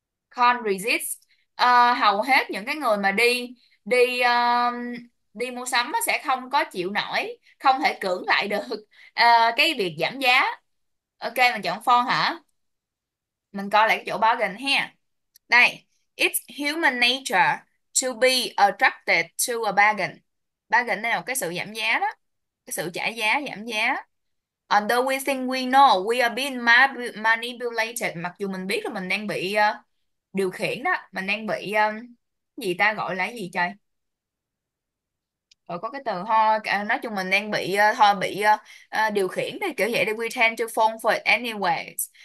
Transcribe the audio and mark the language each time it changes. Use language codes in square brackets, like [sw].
[en] Can't resist. [vi] Hầu hết những cái người mà đi đi đi mua sắm nó sẽ không có chịu nổi, không thể cưỡng lại được cái việc giảm giá. Ok, mình chọn phone hả? Mình coi lại cái chỗ bargain ha. [en] Đây, it's human nature to be attracted to a bargain. [vi] Bargain là một cái sự giảm giá đó, cái sự trả giá giảm giá. [en] Although we think we know we are being manipulated, [vi] mặc dù mình biết là mình đang bị điều khiển đó, mình đang bị gì ta gọi là gì trời, Ừ, có cái từ ho, nói chung mình đang bị thôi bị điều khiển thì kiểu vậy đi, [en] we tend to fall for it anyways.